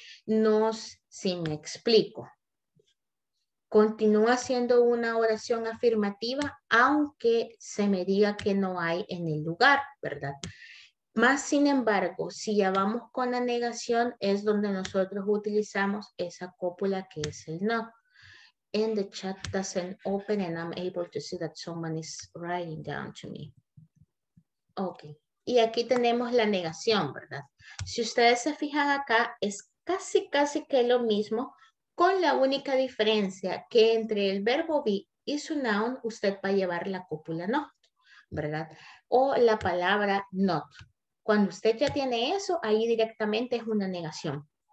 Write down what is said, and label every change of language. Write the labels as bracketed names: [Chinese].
[Spanish] No, si me explico. Continúa siendo una oración afirmativa, aunque se me diga que no hay en el lugar, ¿verdad? Más sin embargo, si ya vamos con la negación, es donde nosotros utilizamos esa cópula que es el no. [English] In the chat doesn't open and I'm able to see that someone is writing down to me. [Spanish] Ok. Y aquí tenemos la negación, ¿verdad? Si ustedes se fijan acá, es casi, casi que lo mismo, con la única diferencia que entre el verbo be y su noun, usted va a llevar la cópula no, ¿verdad? O la palabra not. Cuando usted ya tiene eso, ahí directamente es una negación.